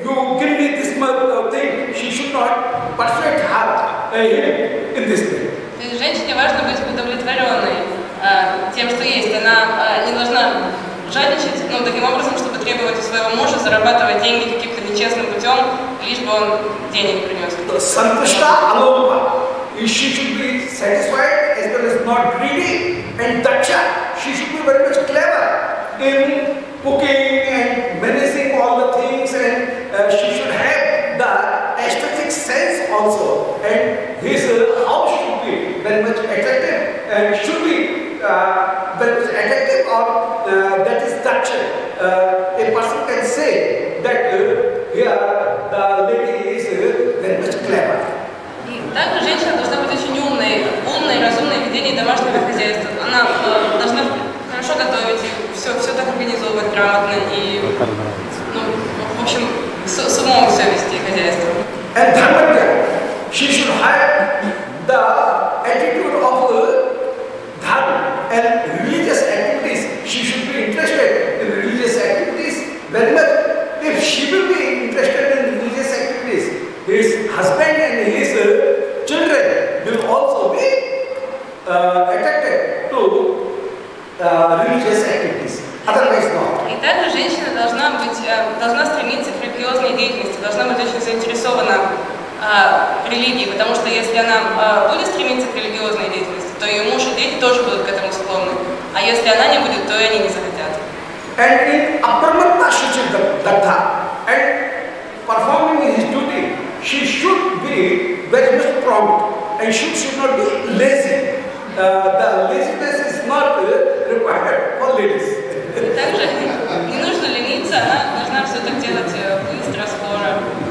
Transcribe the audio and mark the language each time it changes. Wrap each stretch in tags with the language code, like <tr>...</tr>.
<en>You give me this much thing, she should not persuade her in this way.</en> <ru>Женщине важно быть удовлетворенной тем, что есть. Она не должна жадничать, но таким образом, чтобы требовать у своего мужа зарабатывать деньги каким-то нечестным путем, лишь бы он денег принес.</ru> <sa>Santushta alopa.</sa> <en>She should be satisfied as well as not greedy. And Daksha, she should be very much clever in cooking and managing all the things. And she should have the aesthetic sense also. And his house should be very much attractive. And should be very much attractive, or that is Daksha. A person can say that here the lady is very much clever.</en> <ru>Также женщина должна быть очень умной, умной, разумной в ведении домашнего хозяйства. Она должна хорошо готовить, и все так организовывать грамотно и, ну, в общем, с умом все вести хозяйство.</ru> <en>And dharmatya, she should have the attitude of dharma and religious activities. She should be interested in religious activities. Very much. If she will be interested in religious activities, his husband and his children will also be attracted to religious activities. Otherwise, not.</en> <ru>И также женщина должна быть должна стремиться к религиозной деятельности, должна быть очень заинтересована в религии, потому что если она будет стремиться к религиозной деятельности, то ее муж и дети тоже будут к этому склонны. А если она не будет, то и они не захотят.</ru> <en>And in apramatta she should dhatta, and performing his duty, she should be very much prompt, and she should not be lazy. The laziness is not required for ladies.</en> <ru>Также не нужно лениться, она должна все это делать быстро, скоро.</ru>